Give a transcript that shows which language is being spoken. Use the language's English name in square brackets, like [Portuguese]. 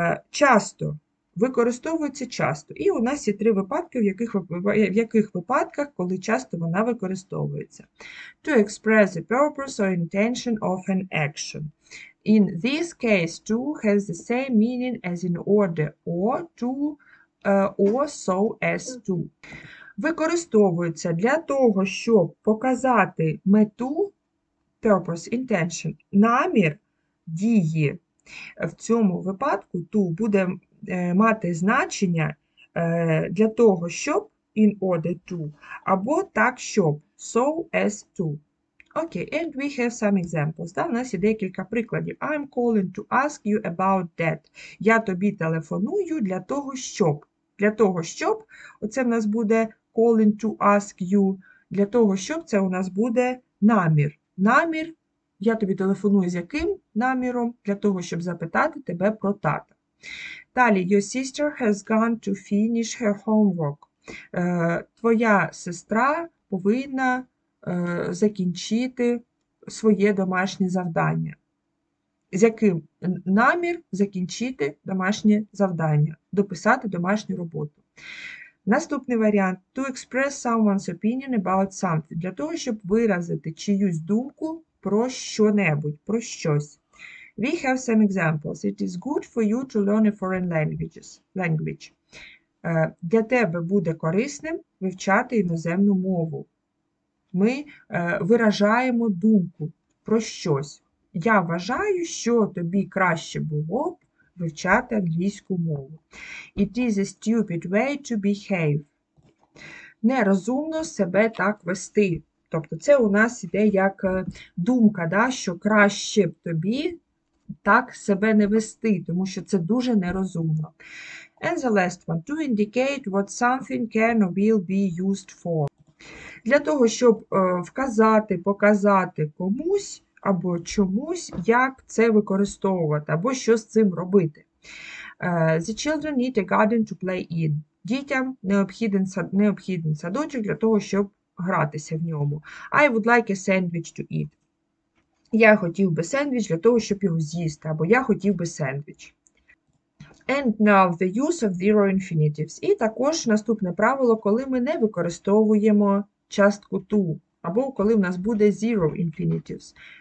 [Ukrainian] Часто використовується. І у нас є три випадки, в яких випадках, коли часто вона використовується. [English] To express the purpose or intention of an action. In this case, to has the same meaning as in order or to or so as to. [Ukrainian] Використовується для того, щоб показати мету, purpose, intention, намір, дії. В цьому випадку to буде мати значення для того, щоб in order to, або так, щоб so as to. [English] Okay, and we have some examples. [Ukrainian] Да, у нас є декілька прикладів. [English] I'm calling to ask you about that. [Ukrainian] Я тобі телефоную для того, щоб. Для того, щоб. Оце в нас буде [English] calling to ask you. [Ukrainian] Для того, щоб. Це у нас буде намір. Намір. Я тобі телефоную з яким наміром? Для того, щоб запитати тебе про тата. [English] Далі, your sister has gone to finish her homework. [Ukrainian] Твоя сестра повинна закінчити своє домашнє завдання. З яким намір закінчити домашнє завдання, дописати домашню роботу. Наступний варіант. [English] To express someone's opinion about something. [Ukrainian] Для того, щоб виразити чиюсь думку про що-небудь, про щось. [English] We have some examples. It is good for you to learn a foreign language. [Ukrainian] Для тебе буде корисним вивчати іноземну мову. Ми виражаємо думку про щось. Я вважаю, що тобі краще було б вивчати англійську мову. [English] It is a stupid way to behave. [Ukrainian] Нерозумно себе так вести. Тобто це у нас іде як думка, да, що краще б тобі так себе не вести, тому що це дуже нерозумно. [English] And the last one, to indicate what something can or will be used for. [Ukrainian] для того, щоб вказати, показати комусь або чомусь, як це використовувати, або що з цим робити. [English] The children need a garden to play in. [Ukrainian] Дітям необхідний садочок для того, щоб гратися в ньому. [English] I would like a sandwich to eat. [Ukrainian] Я хотів би сендвіч для того, щоб його з'їсти, або я хотів би сендвіч. [English] And now the use of zero infinitives. [Ukrainian] І також наступне правило, коли ми не використовуємо частку to, або коли в нас буде zero infinitives.